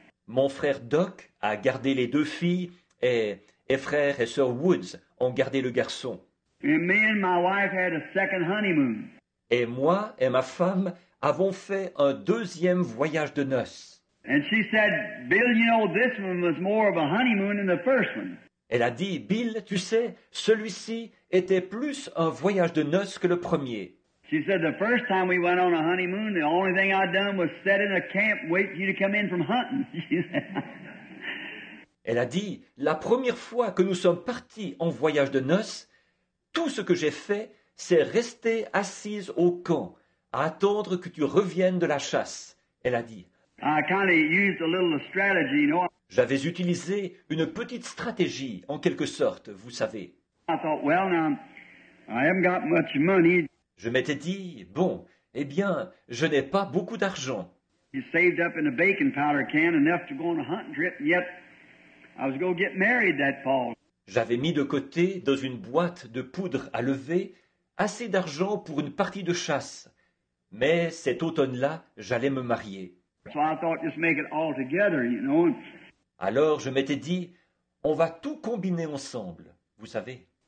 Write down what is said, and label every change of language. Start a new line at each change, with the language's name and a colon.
French: Mon frère Doc a gardé les deux filles et frère et sœur Woods ont gardé le garçon.
English: And me and my wife had a second honeymoon.
French: Et moi et ma femme avons fait un deuxième voyage de noces.
English: And she said, Bill, you know, this one was more of a honeymoon than the first one.
French: Elle a dit, Bill, tu sais, celui-ci était plus un voyage de noces que le premier.
English: She said, the first time we went on a honeymoon, the only thing I'd done was set in a camp waiting for you to come in from hunting.
French: Elle a dit, la première fois que nous sommes partis en voyage de noces, tout ce que j'ai fait, c'est rester assise au camp, à attendre que tu reviennes de la chasse, elle a dit.
English: I kind of used a little strategy, you know.
French: J'avais utilisé une petite stratégie, en quelque sorte, vous savez.
English: I thought, well, now, I haven't got much money.
French: Je m'étais dit, bon, eh bien, je n'ai pas beaucoup d'argent.
English: You saved up in a baking powder can enough to go on a hunting trip, yet I was going to get married that fall.
French: J'avais mis de côté, dans une boîte de poudre à lever, assez d'argent pour une partie de chasse. Mais cet automne-là, j'allais me marier.
English: So I thought, just make it all together, you know.
French: Alors je m'étais dit, on va tout combiner ensemble, vous savez.